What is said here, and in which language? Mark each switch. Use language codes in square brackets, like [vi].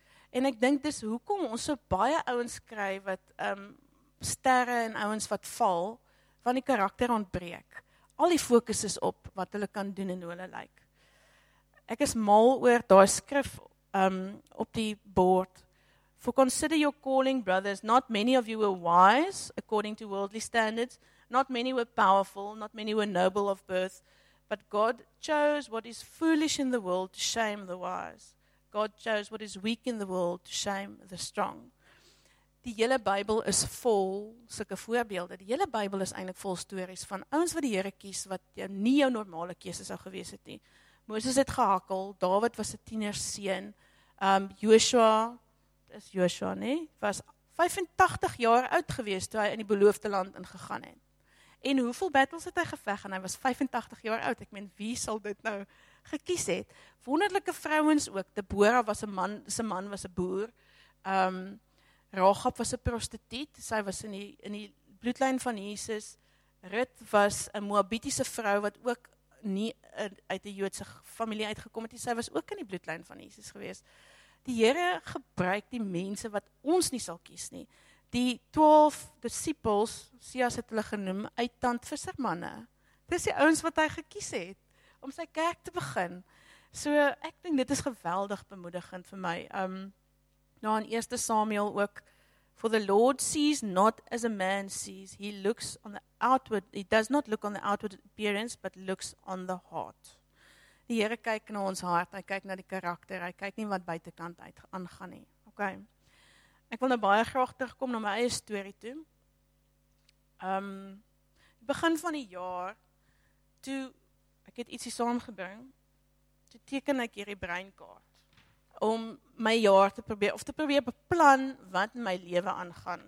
[af] En ek dink dis hoekom ons so baie ouens kry wat sterre en ouens wat val, van die karakter ontbreek. Al die fokus is op wat hulle kan doen en hoe hulle lyk. Ek is mal oor daai skrif op die bord. [en] For consider your calling, brothers, not many of you were wise, according to worldly standards, not many were powerful, not many were noble of birth, but God chose what is foolish in the world to shame the wise. God chose what is weak in the world to shame the strong. [af] Die hele Bybel is vol sulke voorbeelde. Die hele Bybel is eintlik vol stories van ouens wat die Here kies wat jou nie jou normale keuse sou gewees het nie. Moses het gehakkel, Dawid was 'n tiener seun. Joshua, dis Joshua nie, was 85 jaar oud gewees toe hy in die beloofde land ingegaan het. En hoeveel battles het hy geveg en hy was 85 jaar oud? Ek meen wie sal dit nou gekies het? Wonderlike vrouens ook. Deborah was 'n man, sy man was 'n boer. Rahab was 'n prostituut, sy was in die bloedlyn van Jesus. Ruth was 'n Moabitiese vrou wat ook nie uit 'n Joodse familie uitgekom het nie. Sy was ook in die bloedlyn van Jesus gewees. Die Here gebruik die mense wat ons nie sal kies nie. Die 12 disippels, Sias het hulle genoem, uit tand vissermanne. Dis die ouens wat hy gekies het om sy kerk te begin. So ek dink dit is geweldig bemoedigend vir my. Nou in 1 Samuel ook, [en] for the Lord sees not as a man sees, he looks on the outward, he does not look on the outward appearance, but looks on the heart. [af] Die Here kyk na ons hart, hy kyk na die karakter, hy kyk nie wat buitenkant uit aangaan nie. Okay. Ek wil nou baie graag terugkom na my eie story toe. Die begin van die jaar, toe ek het ietsie saamgebring, toe teken ek hierdie breinkaart, om my jaar te probeer, of te probeer beplan wat my lewe aangaan.